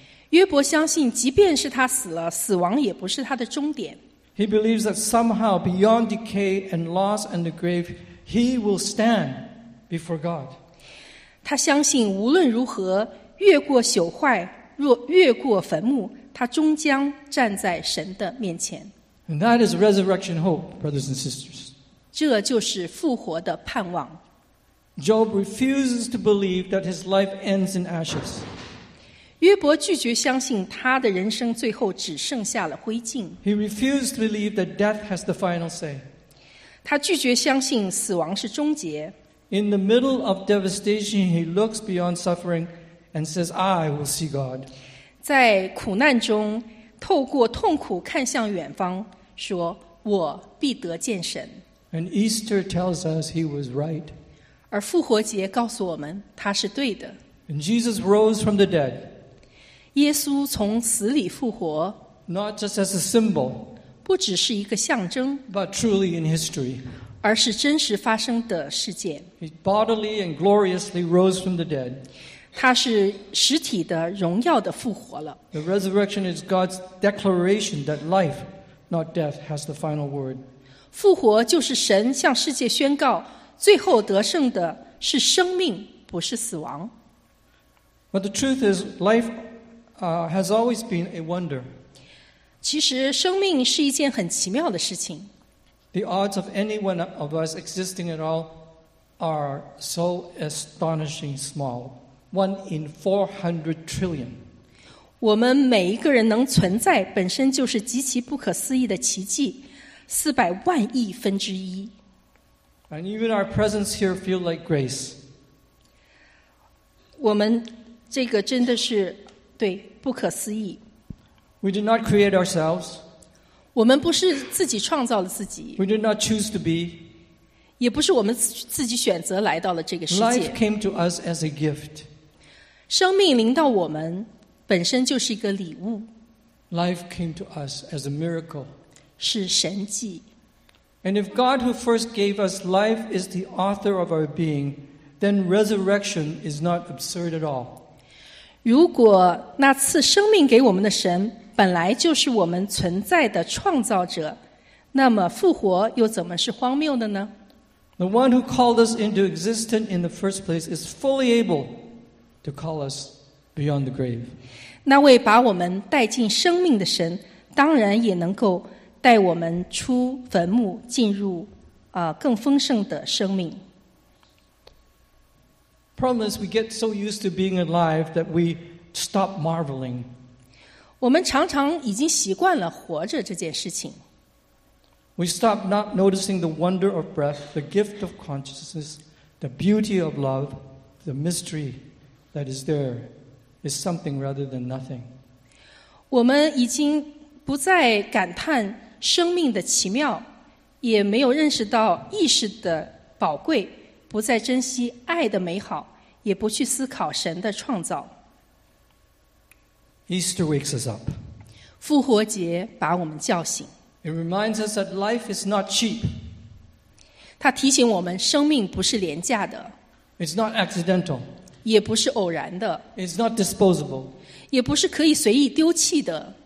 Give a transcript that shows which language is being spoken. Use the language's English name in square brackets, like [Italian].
[Chinese] 约伯相信，即便是他死了，死亡也不是他的终点。 [English] He believes that somehow beyond decay and loss and the grave, he will stand before God. [Chinese] 他相信，无论如何，越过朽坏，若越过坟墓。他终将站在神的面前。 [English] And that is resurrection hope, brothers and sisters. [Chinese] 这就是复活的盼望。 [English] Job refuses to believe that his life ends in ashes. [Chinese] 约伯拒绝相信他的人生最后只剩下了灰烬。 [English] He refuses to believe that death has the final say. [Chinese] 他拒绝相信死亡是终结。 [English] In the middle of devastation, he looks beyond suffering and says, "I will see God." [Chinese] 在苦难中透过痛苦看向远方说我必得见神。 [English] And Easter tells us he was right. [Chinese] 而复活节告诉我们他是对的。 [English] And Jesus rose from the dead. [Chinese] 耶稣从死里复活 [English] not just as a symbol, [Chinese] 不只是一个象征 [English] but truly in history, [Chinese] 而是真实发生的事件 [English] He bodily and gloriously rose from the dead, [Chinese] 他是实体的荣耀的复活了 [English] The resurrection is God's declaration that life, not death, has the final word. [Chinese] 复活就是神向世界宣告最后得胜的是生命不是死亡 [English] But the truth is, life has always been a wonder. [Chinese] 其实生命是一件很奇妙的事情 [English] The odds of anyone of us existing at all are so astonishing small. 1 in 400 trillion. [Chinese] 我们每一个人能存在本身就是极其不可思议的奇迹400万亿分之一。 [English] And even our presence here feel like grace. [Chinese] 我们这个真的是对不可思议。 [English] We did not create ourselves. [Chinese] 我们不是自己创造了自己。 [English] We did not choose to be. [Chinese] 也不是我们自己选择来到了这个世界。 [English] Life came to us as a gift. [Chinese] 生命临到我们本身就是一个礼物。 [English] Life came to us as a miracle. [Chinese] 是神迹。 [English] And if God who first gave us life is the author of our being, then resurrection is not absurd at all. [Chinese] 如果那赐生命给我们的神本来就是我们存在的创造者，那么复活又怎么是荒谬的呢？ [English] The one who called us into existence in the first place is fully able to call us beyond the grave. [Chinese] 那位把我们带进生命的神当然也能够带我们出坟墓进入更丰盛的生命。 [English] Problem is, we get so used to being alive that we stop marveling. [Chinese] 我们常常已经习惯了活着这件事情。 [English] We stop not noticing the wonder of breath, the gift of consciousness, the beauty of love, the mystery that is there is something rather than nothing. [Chinese] 我们已经不再感叹生命的奇妙，也没有认识到意识的宝贵，不再珍惜爱的美好，也不去思考神的创造。 [English] Easter wakes us up. [Chinese] 复活节把我们叫醒。 [English] It reminds us that life is not cheap. [Chinese] 它提醒我们生命不是廉价的。 [English] It's not accidental. [Chinese] 也不是偶然的。 [English] It's not disposable. [Chinese] 也不是可以随意丢弃的。